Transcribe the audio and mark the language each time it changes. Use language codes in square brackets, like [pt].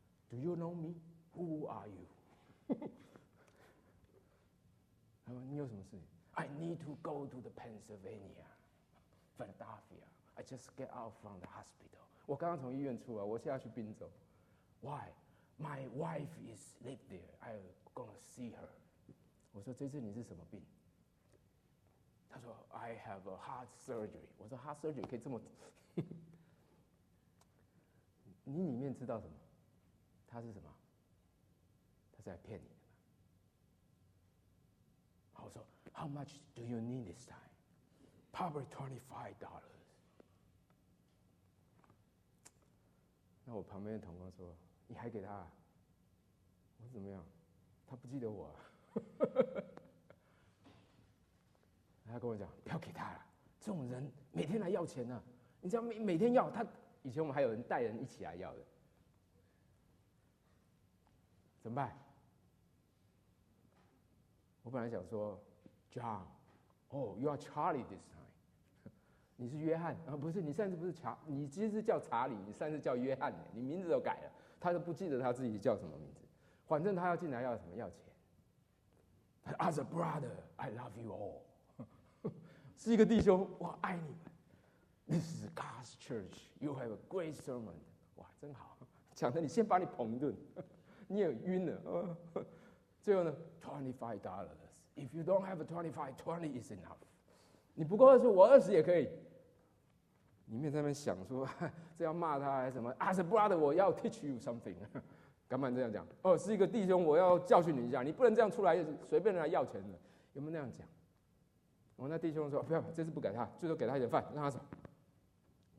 [en] Do you know me? Who are you? [zh] 他说：“你有什么事情 ？” [en] I need to go to the Pennsylvania, Philadelphia. I just get out from the hospital. [zh] 我刚刚从医院出来，我现在去宾州。 [en] Why? My wife is live there. I'm gonna see her. [zh] 我说这次你是什么病？他说 [en] I have a heart surgery. [zh] 我说 heart surgery 可以这么？你里面知道什么？他是什么？他是来骗你的吗？我说 [en] How much do you need this time? Probably $25. [zh] 那我旁边的同工说：“你还给他、啊？”我说：“怎么样？他不记得我、啊。他跟我讲，不要给他了，这种人每天来要钱呢、啊，你只要 每天要他，以前我们还有人带人一起来要的，怎么办？我本来想说 ，John， 哦、oh, ， [en] You are Charlie this time， [zh] 你是约翰啊？不是，你上次不是查，你其实叫查理，你上次叫约翰，你名字都改了，他都不记得他自己叫什么名字，反正他要进来要什么要钱。 [en] As a brother, I love you all. [zh] 是一个弟兄，我爱你们。 [en] This is God's church. You have a great sermon. [zh] 哇，真好，讲的你先把你捧一顿，你也晕了。最后呢 $25. [en] If you don't have a 25, 20 is enough. [zh] 你不够二十，我二十也可以。你们在那边想说，这要骂他还是什么 ？ [en] As a brother, [zh] 我要 [en] teach you something. [zh] 敢不敢这样讲？哦，是一个弟兄，我要教训你一下，你不能这样出来随便来要钱的，有没有那样讲？我那弟兄说：“不要，这次不给他，最多给他一点饭，让他走。”